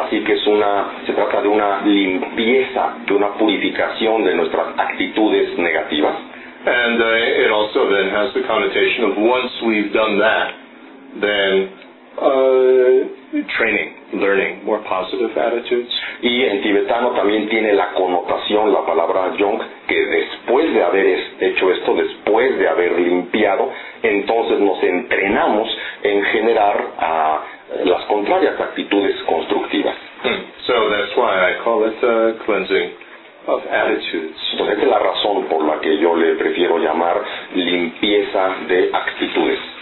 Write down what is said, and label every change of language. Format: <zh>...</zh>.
<es>Así que se trata de una limpieza, de una purificación de nuestras actitudes negativas.</es> <en>And it also then has the connotation of once we've done that, then training, learning more positive attitudes.</en> <es>Y en tibetano también tiene la connotación, la palabra yong, que después de haber hecho esto, después de haber limpiado, entonces nos entrenamos en generar las contrarias actitudes constructivas.</es> <en>So that's why I call it cleansing of attitudes.</en> <es>Pues esta es la razón por la que yo le prefiero llamar limpieza de actitudes.</es>